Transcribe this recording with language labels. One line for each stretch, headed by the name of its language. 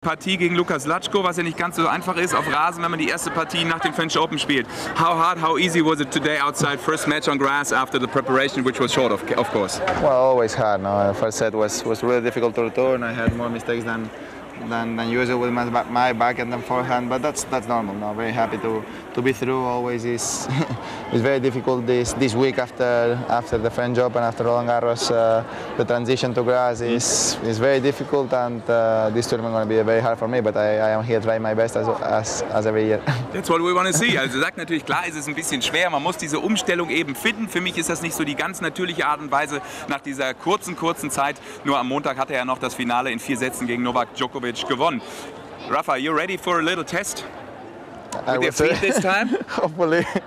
German: Partie gegen Lukas Latschko, was ja nicht ganz so einfach ist auf Rasen, wenn man die erste Partie nach dem French Open spielt.
English: How hard, how easy was it today outside, first match on grass after the preparation, which was short, of course? Well, always hard. No, first set was really difficult to return. I had more mistakes than usual with my back and then forehand, but that's normal. No, very happy to be through. Always is it's very difficult this week after the French Open, after Roland Garros. The transition to grass is very difficult, and this tournament is going to be very hard for me. But I am here trying my best as every year. That's what we want to see.
German: Also sagt natürlich klar, es ist ein bisschen schwer. Man muss diese Umstellung eben finden. Für mich ist das nicht so die ganz natürliche Art und Weise nach dieser kurzen Zeit. Nur am Montag hatte er ja noch das Finale in 4 Sätzen gegen Novak Djokovic gewonnen.
English: Rafa, you ready for a little test? With your feet this time? Hopefully.